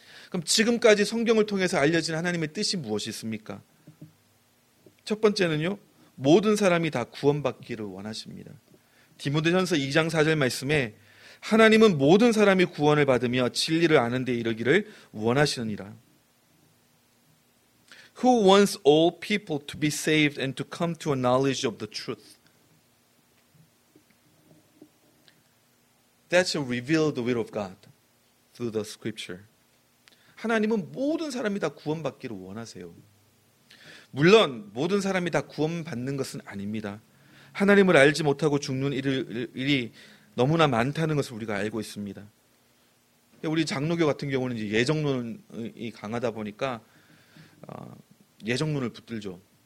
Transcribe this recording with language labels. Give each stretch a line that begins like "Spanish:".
Korean: 그럼 지금까지 성경을 통해서 알려진 하나님의 뜻이 무엇이 있습니까? 첫 번째는요. 모든 사람이 다 구원받기를 원하십니다. 디모데전서 2장 4절 말씀에 하나님은 모든 사람이 구원을 받으며 진리를 아는 데 이르기를 원하시느니라.
English: Who wants all people to be saved and to come to a knowledge of the truth? That's a revealed will of God through the scripture.
Korean: 하나님은 모든 사람이 다 구원받기를 원하세요. 물론 모든 사람이 다 구원받는 것은 아닙니다. 하나님을 알지 못하고 죽는 일이 너무나 많다는 것을 우리가 알고 있습니다. 우리 장로교 같은 경우는 이제 예정론이 강하다 보니까 예정론을 붙들죠.